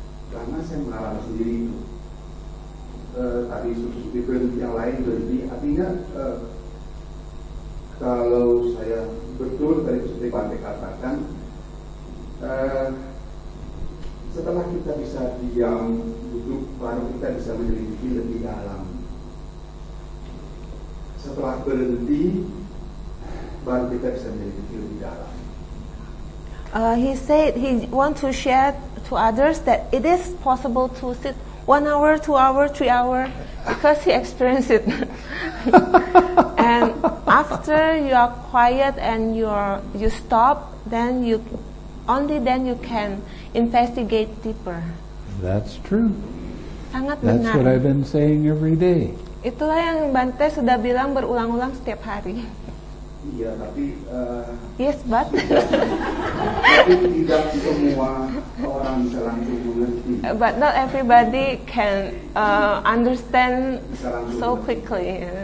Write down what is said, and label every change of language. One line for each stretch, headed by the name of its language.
Indonesian: Karena saya mengalami sendiri itu. Tadi sub-sub-sub yang lain lebih, artinya kalau saya betul tadi seperti Pantai katakan, setelah kita bisa diam duduk, baru kita bisa menyelidiki lebih dalam. Setelah berhenti, baru kita bisa menyelidiki lebih dalam.
English: He said he want to share to others that it is possible to sit 1 hour, 2 hour, 3 hour, because he experienced it. And after you are quiet and you stop, then you only then you can investigate deeper. That's true.
Indonesian: Sangat
English: That's
Indonesian: benar.
English: What I've been saying every day.
Indonesian: Itulah yang Bante sudah bilang berulang-ulang setiap hari. Iya, tapi
English: yes, but
Indonesian: tidak semua orang bisa langsung mengerti.
English: But not everybody can understand so quickly.